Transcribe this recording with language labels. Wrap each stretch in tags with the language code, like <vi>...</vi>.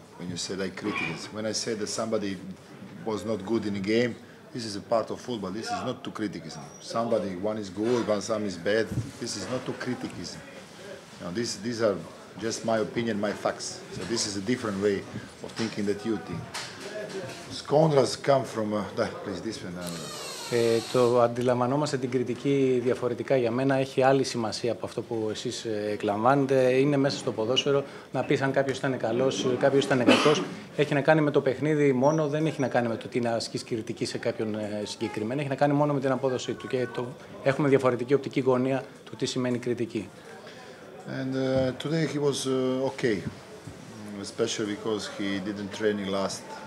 <en>When you said I criticize, when I said that somebody was not good in a game, this is a part of football. This is not to criticism. Somebody, one is good, one some is bad. This is not to criticism. Now, these are just my opinion, my facts. So this is a different way of thinking that you think. Skondras come from please this one.</en> <el>Το αντιλαμβανόμαστε την κριτική διαφορετικά. Για μένα έχει άλλη σημασία από αυτό που εσείς εκλαμβάνετε. Είναι μέσα στο ποδόσφαιρο να πεις αν κάποιος ήταν καλός, κάποιος ήταν κακός. Έχει να κάνει με το παιχνίδι μόνο, δεν έχει να κάνει με το τι να ασκείς κριτική σε κάποιον συγκεκριμένο. Έχει να κάνει μόνο με την απόδοσή του. Και έχουμε διαφορετική οπτική γωνία του τι σημαίνει κριτική.</el> <en>And today he was okay, especially because he didn't train last.</en>